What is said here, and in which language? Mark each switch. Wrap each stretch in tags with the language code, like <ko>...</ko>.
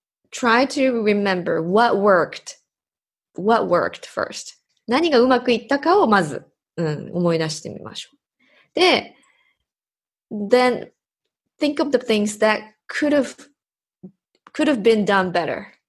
<en>Try to remember what worked first.</en> <ja>何がうまくいったかをまず、思い出してみましょう。で、</ja> <en>then think of the things that could have been done better.</en>